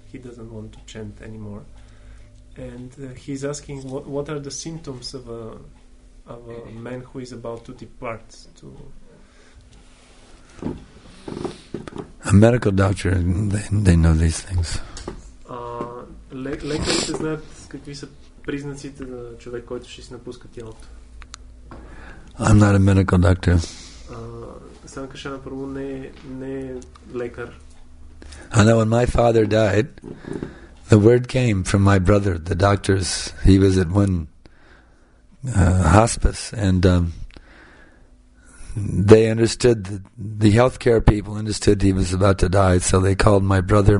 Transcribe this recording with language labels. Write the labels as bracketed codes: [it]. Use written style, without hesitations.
[en] He doesn't want to chant anymore, and he's asking what are the symptoms of a man who is about to depart to a medical doctor, they know these things. [bg] Лекарите знаят какви са признаците на човек, който ще си напуска тялото. [en] I'm not a medical doctor. [bg] Санкашана първо не е лекар. [en] I know when my father died, The word came from my brother, the doctors. He was at one hospice, and they understood, that the healthcare people understood he was about to die, so they called my brother.